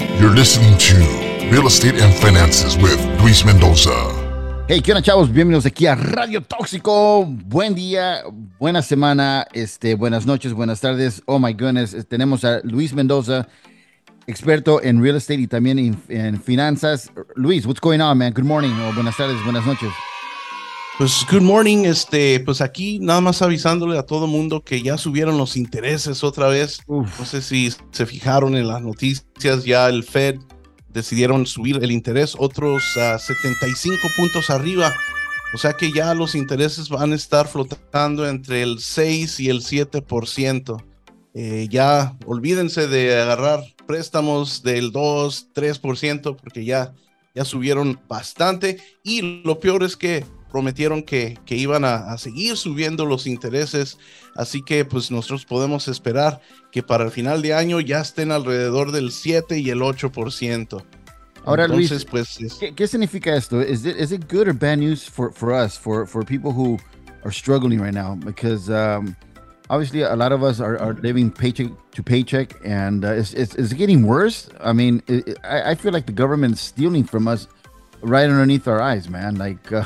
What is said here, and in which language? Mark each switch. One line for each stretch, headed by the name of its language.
English: You're listening to Real Estate and Finances with Luis Mendoza.
Spanish: Hey, ¿qué onda, chavos? Bienvenidos aquí a Radio Toxiko. Buen día, buena semana, buenas noches, buenas tardes.
English: Oh, my goodness.
Spanish: Tenemos a Luis Mendoza, experto en real estate y también en finanzas.
English: Luis, what's going on, man? Good morning. Oh,
Spanish: buenas tardes, buenas noches.
English: Pues, good morning.
Spanish: Pues aquí nada más avisándole a todo mundo que ya subieron los intereses otra vez. Uf. No sé si se fijaron en las noticias, ya el Fed decidieron subir el interés otros 75 puntos arriba. O sea que ya los intereses van a estar flotando entre el 6 y el 7%. Ya olvídense de agarrar préstamos del 2, 3%, porque ya subieron bastante. Y lo peor es que prometieron que iban a seguir subiendo los intereses. Así que pues nosotros podemos esperar que para el final de año ya estén alrededor del 7 y el 8%. Ahora, entonces, Luis, pues, ¿qué significa esto?
English: Is it good or bad news for us, for people who are struggling right now? Because obviously a lot of us are living paycheck to paycheck, and it's getting worse. I mean, I feel like the government's stealing from us right underneath our eyes, man.